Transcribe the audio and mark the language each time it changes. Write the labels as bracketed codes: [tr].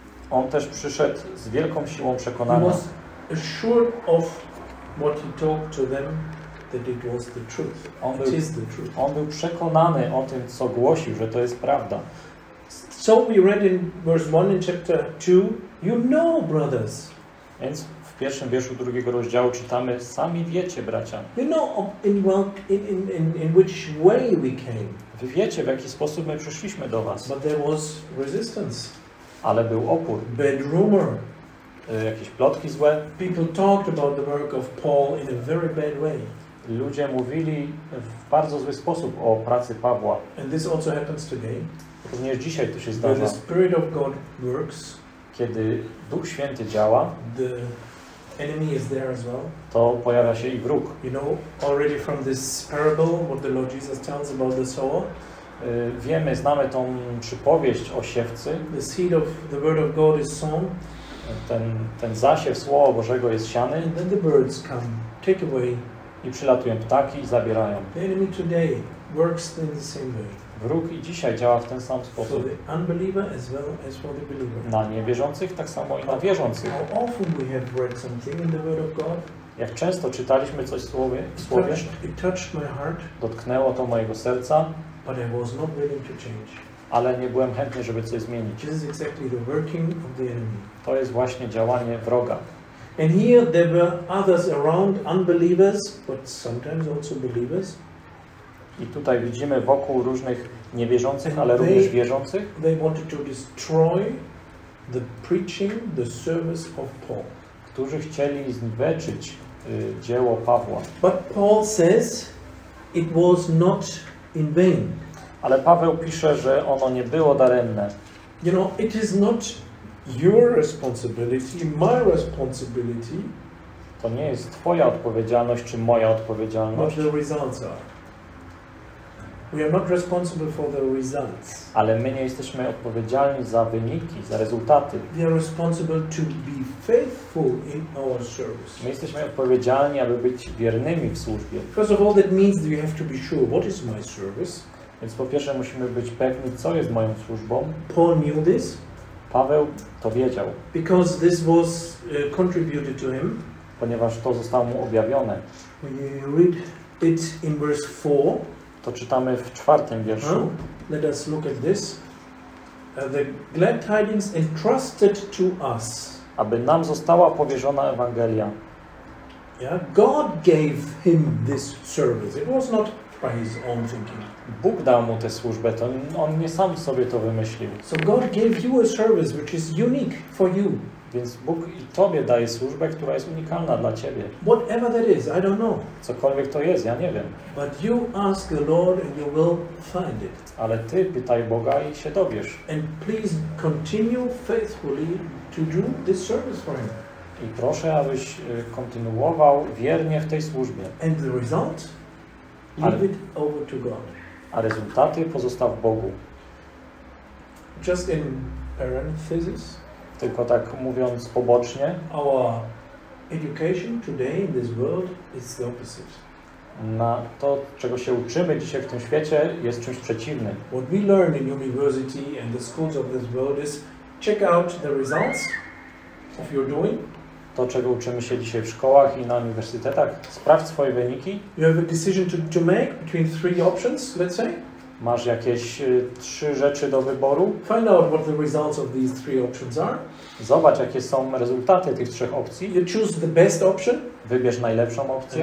[pl] On też przyszedł z wielką siłą przekonania. [en] He was assured of what he talked to them, that it was the truth. It is the truth. [pl] On był przekonany o tym, co głosił, że to jest prawda. [en] So we read in verse 1 in chapter 2, you know, brothers. [pl] Więc w pierwszym wierszu drugiego rozdziału czytamy, sami wiecie, bracia. [en] You know in which way we came. [pl] Wy wiecie, w jaki sposób my przyszliśmy do was. [en] But there was resistance. [pl] Ale był opór. [en] Bad rumor. [pl] Jakieś plotki złe. [en] People talked about the work of Paul in a very bad way. [pl] Ludzie mówili w bardzo zły sposób o pracy Pawła. [en] And this also happens today. [pl] Również dzisiaj to się zdarza. [en] When the Spirit of God works, [pl] kiedy Duch Święty działa, [en] the enemy is there as well. [pl] To pojawia się i wróg. [en] You know already from this parable what the Lord Jesus tells about the sower. [pl] Wiemy, znamy tą przypowieść o siewcy. [en] The seed of the word of God is sown. [pl] Ten zasiew Słowa Bożego jest siany. [en] And then the birds come, take away. [pl] I przylatują ptaki i zabierają. [en] The enemy today works in the same way. [pl] Wróg i dzisiaj działa w ten sam sposób. [en] For the unbeliever as well as for the believer. [pl] Na niewierzących tak samo i na wierzących. [en] How often we have read something in the word of God? [pl] Jak często czytaliśmy coś w Słowie? [en] It touched my heart. [pl] Dotknęło to mojego serca. [en] But I was not willing to change. [pl] Ale nie byłem chętny, żeby coś zmienić. [en] This is exactly the working of the enemy. [pl] To jest właśnie działanie wroga. [en] And here there were others around, unbelievers, but sometimes also believers. [pl] I tutaj widzimy wokół różnych niewierzących, ale również wierzących. [en] They wanted to destroy the preaching, the service of Paul. [pl] Którzy chcieli zniweczyć dzieło Pawła. [en] But Paul says it was not in vain. [pl] Ale Paweł pisze, że ono nie było daremne. [en] You know, it is not your responsibility, my responsibility. [pl] To nie jest twoja odpowiedzialność czy moja odpowiedzialność. [en] But the results are. We are not responsible for the results. [pl] Ale my nie jesteśmy odpowiedzialni za wyniki, za rezultaty. [en] We are responsible to be faithful in our service. [pl] My jesteśmy odpowiedzialni, aby być wiernymi w służbie. [en] First of all, that means that we have to be sure what is my service. [pl] Więc po pierwsze musimy być pewni, co jest moją służbą. [en] Paul knew this. [pl] Paweł to wiedział. [en] Because this was contributed to him. [pl] Ponieważ to zostało mu objawione. [en] When you read it in verse 4. [pl] To czytamy w czwartym wierszu. [en] Let us look at this. The glad tidings entrusted to us. [pl] Aby nam została powierzona Ewangelia. [en] Yeah, God gave him this service. It was not by his own thinking. [pl] Bóg dał mu tę służbę, to on nie sam sobie to wymyślił. [en] So God gave you a service which is unique for you. [pl] Więc Bóg i tobie daje służbę, która jest unikalna dla ciebie. [en] Whatever that is, I don't know. [pl] Cokolwiek to jest, ja nie wiem. [en] But you ask the Lord and you will find it. [pl] Ale ty pytaj Boga i się dowiesz. [en] And please continue faithfully to do this service for him. [pl] I proszę, abyś kontynuował wiernie w tej służbie. [en] And the result? Leave it over to God. [pl] A rezultaty pozostaw Bogu. [en] Just in parenthesis. [pl] Tylko tak mówiąc pobocznie. [en] Our education today in this world is the opposite. [pl] Na to, czego się uczymy dzisiaj w tym świecie, jest czymś przeciwnym. [en] What we learn in university and the schools of this world is check out the results of your doing. [pl] To, czego uczymy się dzisiaj w szkołach i na uniwersytetach, sprawdź swoje wyniki. [en] You have a decision to make between three options, let's say. [pl] Masz jakieś trzy rzeczy do wyboru. [en] Find out what the results of these three options are. [pl] Zobacz, jakie są rezultaty tych trzech opcji. [en] You choose the best option. [pl] Wybierz najlepszą opcję.